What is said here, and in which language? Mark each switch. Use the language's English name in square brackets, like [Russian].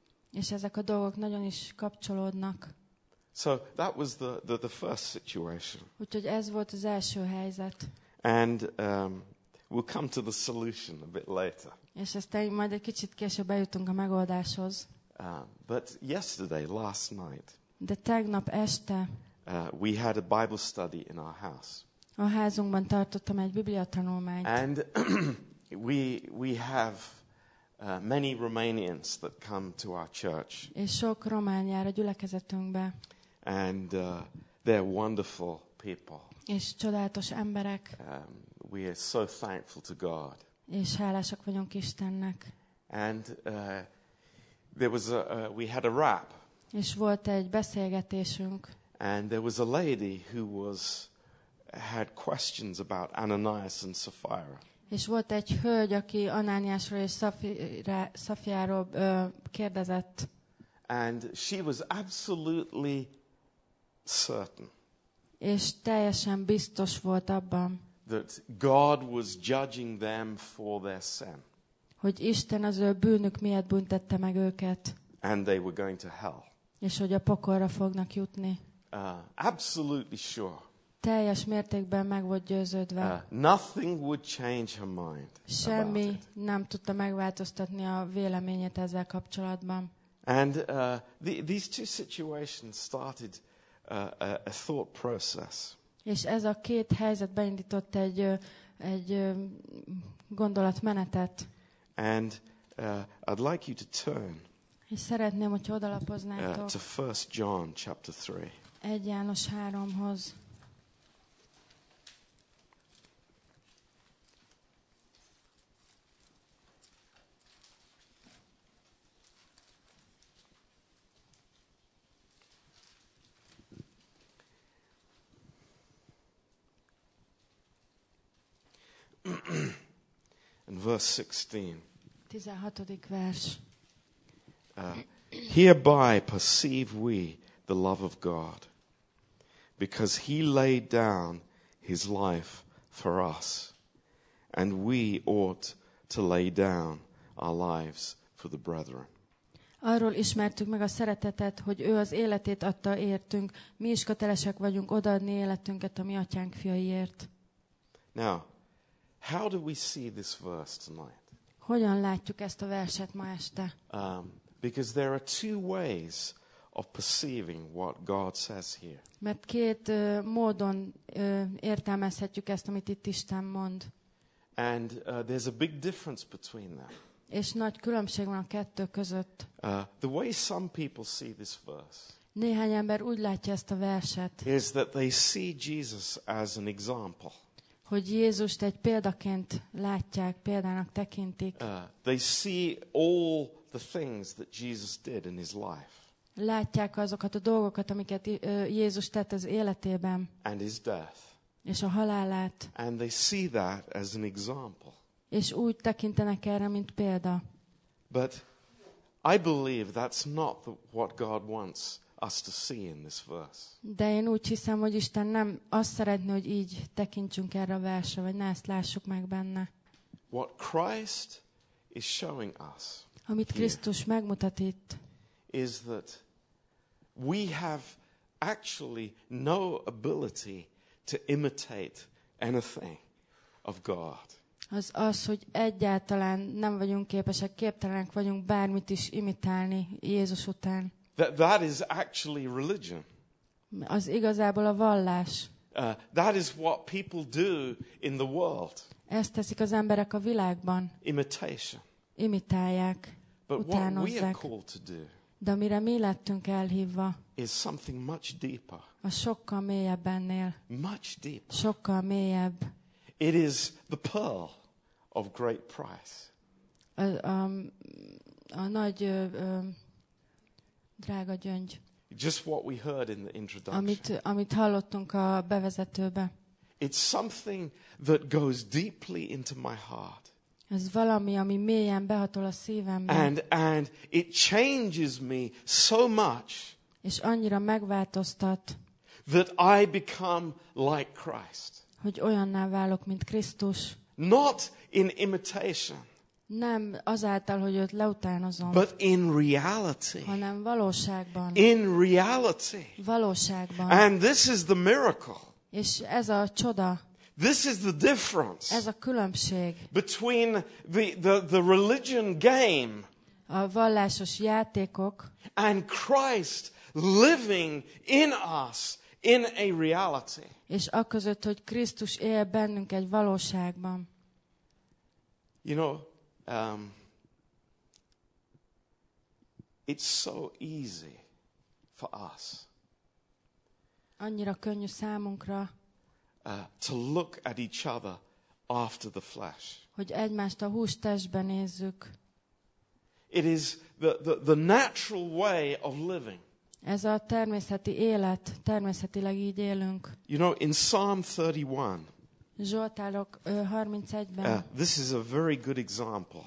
[Hungarian] És ezek a dolgok nagyon is kapcsolódnak. [English] So that was the first situation. [Hungarian] Úgyhogy ez volt az első helyzet. [English] And we'll come to the solution a bit later. [Hungarian] És aztán majd egy kicsit később bejutunk a megoldáshoz. [English] But yesterday, last night. [Hungarian] De tegnap este. [English] We had a Bible study in our house. [Hungarian] A házunkban tartottam egy Biblia tanulmányt. [English] And we have many Romanians that come to our church. [Hungarian] És sok román jár a gyülekezetünkbe. [English] And they're wonderful people. [Hungarian] És csodálatos emberek. [English] We are so thankful to God. [Hungarian] És hálásak vagyunk Istennek. [English] And there was we had a rap. [Hungarian] És volt egy beszélgetésünk. [English] And there was a lady who had questions about Ananias and Sapphira. [Hungarian] És volt egy hölgy, aki Anániásról és Szafiáról kérdezett. [English] And she was absolutely certain. [Hungarian] És teljesen biztos volt abban. [English] That God was judging them for their sin. [Hungarian] Hogy Isten az ő bűnük miatt büntette meg őket. [English] And they were going to hell. [Hungarian] És hogy a pokolra fognak jutni. [English] Absolutely sure. [Hungarian] teljes mértékben meg volt győződve. [English] Nothing would change her mind. [Hungarian] Semmi nem tudta megváltoztatni a véleményét ezzel kapcsolatban. [English] And these two situations started a thought process. [Hungarian] És ez a két helyzet beindított egy gondolatmenetet. [English] And I'd like you to turn. [Hungarian] És szeretném, hogy odalapoznátok. [English] To 1 John chapter 3. [Hungarian] 1 János 3-hoz. [English] And verse 16. [Hungarian] 16. vers. [English] Hereby perceive we the love of God, because he laid down his life for us, and we ought to lay down our lives for the brethren. [Hungarian] Arról ismertük meg a szeretetet, hogy ő az életét adta értünk, mi is kötelesek vagyunk odaadni életünket a mi atyánk fiaiért. [English] Now, how do we see this verse tonight? [Hungarian] Hogyan látjuk ezt a verset ma este? [English] Because there are two ways of perceiving what God says here. [Hungarian] Mert két módon értelmezhetjük ezt, amit itt Isten mond. [English] And there's a big difference between them. [Hungarian] És nagy különbség van a kettő között. [English] The way some people see this verse. [Hungarian] Néhány ember úgy látja ezt a verset. [English] Is that they see Jesus as an example. [Hungarian] Hogy Jézust egy példaként látják, példának tekintik. [English] They see all the things that Jesus did in his life. [Hungarian] Látják azokat a dolgokat, amiket Jézus tett az életében. [English] And his death. [Hungarian] És a halálát. [English] And they see that as an example. [Hungarian] És úgy tekintenek erre, mint példa. [English] But I believe that's not what God wants us to see in this verse. [Hungarian] De én úgy hiszem, hogy Isten nem azt szeretné, hogy így tekintsünk erre a versre, vagy ne ezt lássuk meg benne. [English] What Christ is showing us. [Hungarian] Amit Krisztus megmutat itt. [English] Is that we have actually no ability to imitate anything of God. [Hungarian] Az, hogy egyáltalán nem vagyunk képesek, képtelenek vagyunk bármit is imitálni Jézus után. [English] That is actually religion. [Hungarian] Az igazából a vallás. [English] That is what people do in the world. [Hungarian] Ezt teszik az emberek a világban. [English] Imitation. [Hungarian] Imitálják. [English] But [Hungarian] utánozzák. [English] What we are called to do. [Hungarian] De amire mi lettünk elhívva, [English] is something much deeper. [Hungarian] A sokkal mélyebb ennél. [English] Much deeper. [Hungarian] Sokkal mélyebb. [English] It is the pearl of great price. [Hungarian] Drága gyöngy. [English] Just what we heard in the introduction. [Hungarian] Amit hallottunk a bevezetőbe. [English] It's something that goes deeply into my heart. [Hungarian] Ez valami, ami mélyen behatol a szívembe. [English] And it changes me so much. [Hungarian] És annyira megváltoztat. [English] That I become like Christ. [Hungarian] Hogy olyanná válok, mint Krisztus. [English] Not in imitation. [Hungarian] Nem azáltal, hogy őt leutánozom. [English] But in reality. [Hungarian] Hanem valóságban. [English] In reality. [Hungarian] Valóságban. [English] And this is the miracle. [Hungarian] És ez a csoda. [English] This is the difference. [Hungarian] Ez a különbség. [English] Between the religion game. [Hungarian] A vallásos játékok. [English] And Christ living in us in a reality. [Hungarian] És aközött, hogy Krisztus él bennünk egy valóságban. [English] You know, it's so easy for us. [Hungarian] Annyira könnyű számunkra. [English] To look at each other after the flesh. [Hungarian] Hogy egymást a hústestbe nézzük. [English] It is the natural way of living. [Hungarian] Ez a természeti élet, természetileg így élünk. [English] You know, in Psalm 31. [Hungarian] Zsoltárok 31-ben. [English] This is a very good example.